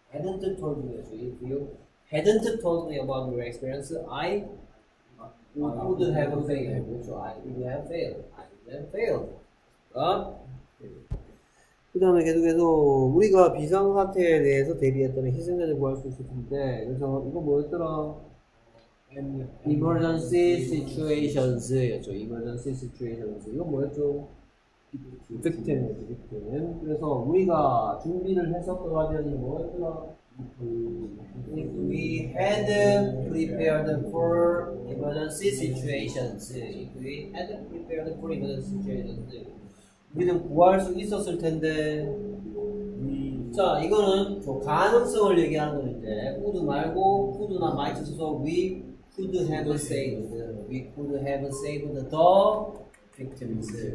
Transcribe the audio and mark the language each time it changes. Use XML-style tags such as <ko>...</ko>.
<en>If you hadn't told me about your experience, I would have failed. I would have failed.</en> <ko>그 다음에 계속해서 우리가 비상 사태에 대해서 대비했다면 희생자를 구할 수 있을 텐데, 그래서 이거 뭐였더라?</ko> <en>Emergency situations.</en> <ko>였죠.</ko> <en>Emergency situations.</en> <ko>이거 뭐였죠?</ko> <en>Victim. Victim.</en> <ko>그래서 우리가 준비를 했었더라면 뭐였더라?</ko> <en>If we had prepared for emergency situations. If we had prepared for emergency situations.</en> <ko>우리는 구할 수 있었을 텐데. 자, 이거는 저 가능성을 얘기하는 건데.</ko> <en>would</en> <ko>말고</ko> <en>could나 might</en> <ko>써서</ko> <en>we could have saved. We could have saved the victims.</en>